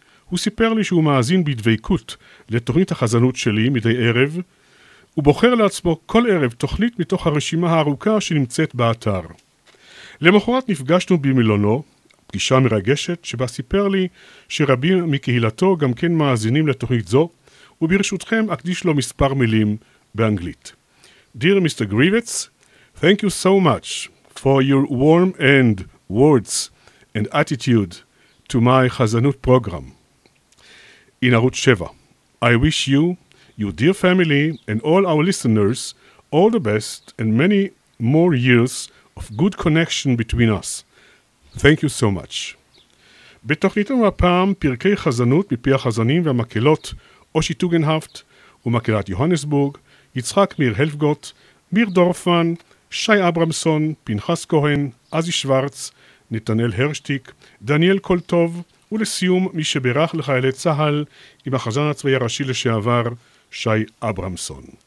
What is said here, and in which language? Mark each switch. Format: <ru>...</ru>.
<he>הוא סיפר לי שהוא מאזין בדבקות לתוכנית החזנות שלי מדי ערב, ובוחר לעצמו כל ערב תוכנית מתוך הרשימה הארוכה שנמצאת באתר. למחרת נפגשנו במילונו, פגישה מרגשת שבה סיפר לי שרבים מקהילתו גם כן מאזינים לתוכנית זו, וברשותכם אקדיש לו מספר מילים באנגלית.</he> <en>Dear Mr. Grivets, thank you so much for your warm and words and attitude to my חזנות program. In ערוץ 7, I wish you, your dear family and all our listeners all the best and many more years of good connection between us. Thank you so much.</en> <he>בתוכניתנו הפעם, פרקי חזנות מפי החזנים והמקהלות אושי טוגנהפט ומקהלת יוהנסבורג, יצחק מיר הלפגוט, מיר דורפן, שי אברמסון, פנחס כהן, אזי שוורץ, נתנאל הרשטיק, דניאל קולטוב, ולסיום מי שברך לחיילי צהל עם החזן הצבאי הראשי לשעבר, שי אברמסון.</he>